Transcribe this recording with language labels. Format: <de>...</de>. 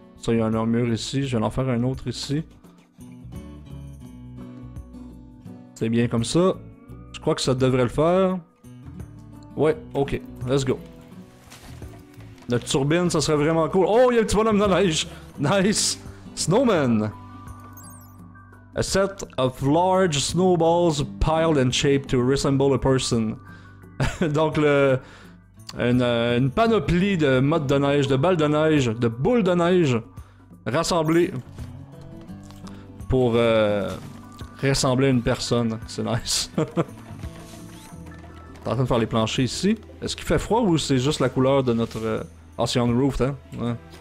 <fr>Ça, il y a un mur ici. Je vais en faire un autre ici. C'est bien comme ça. Je crois que ça devrait le faire. Ouais, ok.</fr> <en>Let's go.</en> <fr>Notre turbine, ça serait vraiment cool. Oh, il y a un petit bonhomme de neige.</fr> <en>Nice. Snowman. A set of large snowballs piled and shaped to resemble a person.</en> <fr>Donc, une panoplie de mottes de neige, de balles de neige, de boules de neige rassemblées pour ressembler à une personne. C'est nice. T'es en train de faire les planchers ici. Est-ce qu'il fait froid ou c'est juste la couleur de notre ancien roof, hein? Ouais.</fr>